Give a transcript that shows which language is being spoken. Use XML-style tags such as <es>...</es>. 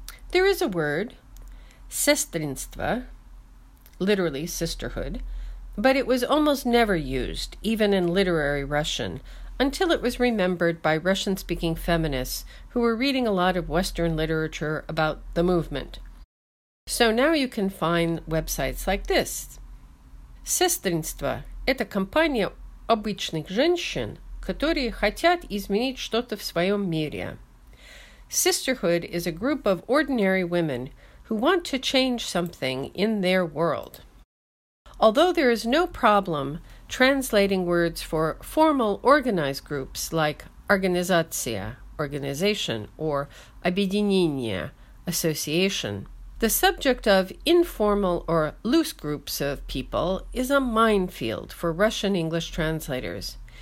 <en>There is a word, sestrinstvo, literally sisterhood, but it was almost never used, even in literary Russian, until it was remembered by Russian-speaking feminists who were reading a lot of Western literature about the movement. So now you can find websites like this.</en> <ru>Сестринство – это компания обычных женщин, которые хотят изменить что-то в своем мире.</ru> <en>Sisterhood is a group of ordinary women who want to change something in their world. Although there is no problem translating words for formal organized groups like организация, organization, or объединение, association, the subject of informal or loose groups of people is a minefield for Russian-English translators.</en>